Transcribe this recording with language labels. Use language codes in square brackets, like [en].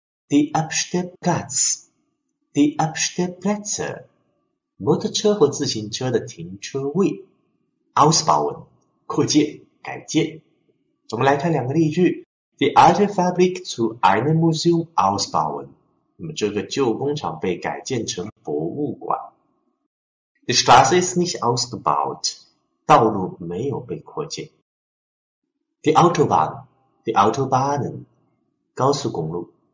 [de] Die Abstellplätze, die Abstellplätze, [zh] 摩托车或自行车的停车位，Ausbauen, 扩建、改建。我们来看两个例句： [de] Die alte Fabrik zu einem Museum Ausbauen, [zh] 那么这个旧工厂被改建成博物馆。 [de] Die Straße ist nicht ausgebaut。 [zh] 道路没有被扩建。 [de] Die Autobahnen, 高速公路。